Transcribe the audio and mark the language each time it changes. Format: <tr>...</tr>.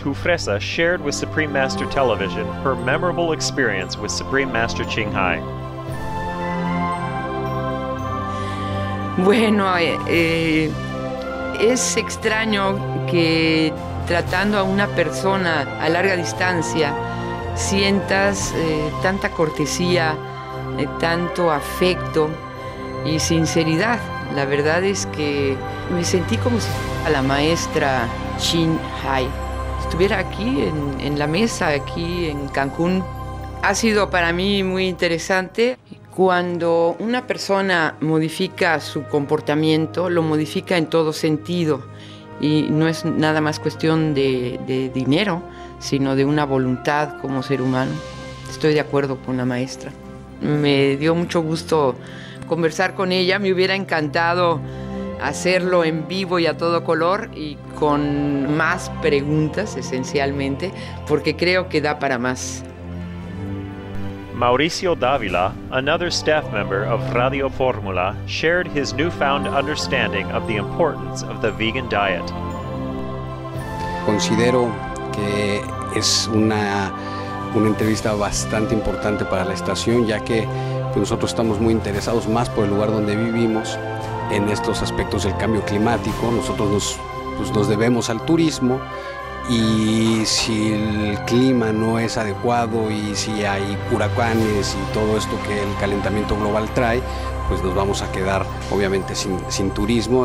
<en>Jufresa shared with Supreme Master Television her memorable experience with Supreme Master Ching Hai.</en> <es>Bueno, es extraño que tratando a una persona a larga distancia sientas tanta cortesía, tanto afecto y sinceridad. La verdad es que me sentí como si fuera la maestra Ching Hai estuviera aquí en la mesa, aquí en Cancún. Ha sido para mí muy interesante. Cuando una persona modifica su comportamiento, lo modifica en todo sentido. Y no es nada más cuestión de dinero, sino de una voluntad como ser humano. Estoy de acuerdo con la maestra. Me dio mucho gusto conversar con ella. Me hubiera encantado hacerlo en vivo y a todo color y con más preguntas, esencialmente, porque creo que da para más.</es> <en>Mauricio Davila, another staff member of Radio Fórmula, shared his newfound understanding of the importance of the vegan diet.</en> <es>Considero que es una entrevista bastante importante para la estación, ya que nosotros estamos muy interesados más por el lugar donde vivimos en estos aspectos del cambio climático. Nosotros nos debemos al turismo. Y si el clima no es adecuado y si hay huracanes y todo esto que el calentamiento global trae, pues nos vamos a quedar obviamente sin turismo.</es>